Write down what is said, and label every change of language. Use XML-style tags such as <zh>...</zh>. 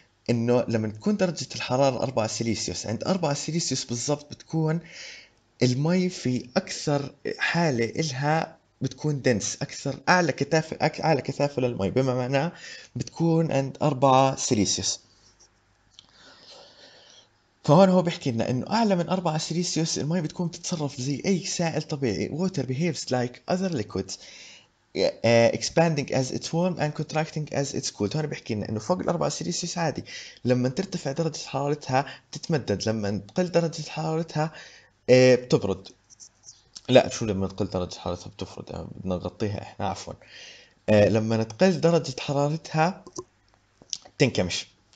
<ar>انه لما تكون درجة الحرارة 4 سيليسيوس، عند 4 سيليسيوس بالضبط بتكون المي في اكثر حالة إلها، بتكون دنس، اكثر اعلى كثافة، اعلى كثافة للمي، بما معناه بتكون عند 4 سيليسيوس. فهون هو بيحكي لنا انه اعلى من 4 سيليسيوس المي بتكون بتتصرف زي اي سائل طبيعي.</ar> <en>Water behaves like other liquids. expanding as it's warm and contracting as it's cool.</en> <ar>هون بيحكي لنا انه فوق الاربعة سيليسيوس عادي، لما ترتفع درجة حرارتها بتتمدد، لما تقل درجة حرارتها بتبرد. لا شو، لما تقل درجة حرارتها بتفرد، بدنا نغطيها احنا، عفوا، لما تقل درجة حرارتها تنكمش.</ar>